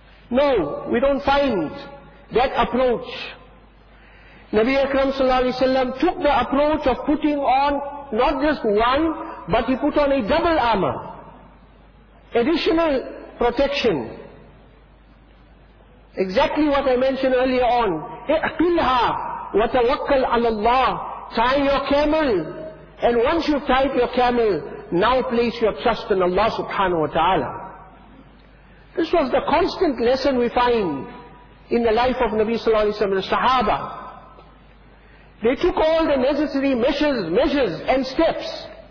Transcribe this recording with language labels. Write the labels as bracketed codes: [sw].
[en] No, we don't find that approach. Nabi Akram sallallahu alayhi wa sallam took the approach of putting on not just one, but he put on a double armor. Additional protection. Exactly what I mentioned earlier on. [ar] اِعْقِلْهَا وَتَوَكَّلْ عَلَى اللَّهِ [en] Tie your camel. And once you've tied your camel, now place your trust in Allah subhanahu wa ta'ala. This was the constant lesson we find in the life of Nabi sallallahu alayhi wa sallam, the Sahaba. They took all the necessary measures and steps.